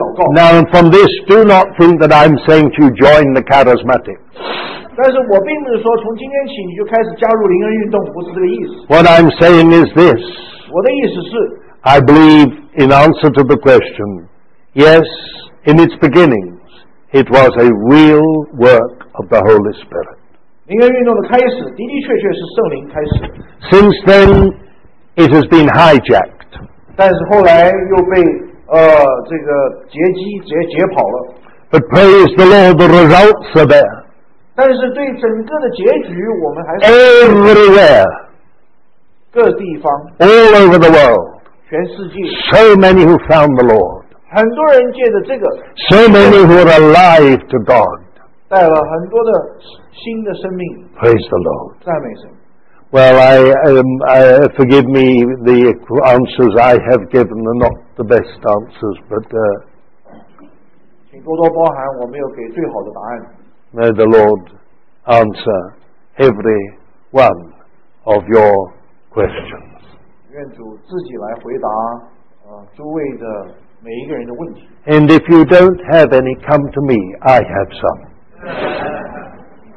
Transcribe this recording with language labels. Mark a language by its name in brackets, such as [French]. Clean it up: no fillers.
[English] now from this, do not think that I'm saying to join the charismatic. [Chinese] 但是我并不是说从今天起你就开始加入灵恩运动, 不是这个意思。 [English] What I'm saying is this. [Chinese] 我的意思是, [English] I believe in answer to the question, yes, in its beginnings, it was a real work of the Holy Spirit. [Chinese] 灵恩运动的开始, 的的确确是圣灵开始。 [English] Since then, it has been hijacked. [Chinese] 但是后来又被这个劫机劫跑了。 [English] But praise the Lord, the results are there. [Chinese] 但是对整个的结局我们还是。 [English] Everywhere. [Chinese] 各地方, [English] all over the world. [Chinese] 全世界, [English] so many who found the Lord. [Chinese] 很多人借着这个, [English] so many who are alive to God. [Chinese] 带了很多的新的生命, [English] praise the Lord. [Chinese] 赞美神。 [English] Well, forgive me the answers I have given are not the best answers, but [Chinese] 请多多包涵,我没有给最好的答案。 [English] May the Lord answer every one of your questions. [Chinese] 愿主自己来回答, 诸位的每一个人的问题。 [English] And if you don't have any, come to me, I have some.